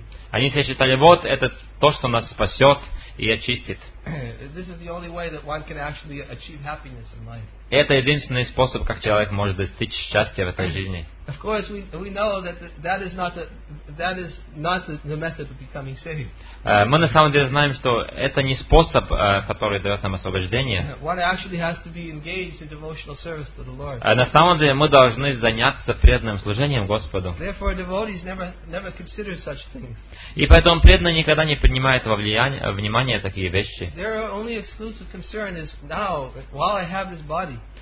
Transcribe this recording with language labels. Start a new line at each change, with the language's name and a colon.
Russian: Они все считали, вот это то, что нас спасет и очистит. Это единственный способ, как человек может достичь счастья в этой жизни.
English: Of course, we know that is not the method of becoming saved.
Russian: Мы на самом деле знаем, что это не способ, который дает нам освобождение.
English: One actually has to be engaged in devotional service to the Lord.
Russian: На самом деле мы должны заняться преданным служением Господу.
English: Therefore, devotees never consider such things.
Russian: И поэтому преданные никогда не принимают во внимание такие вещи.
English: Their only exclusive concern is now, while I have this body.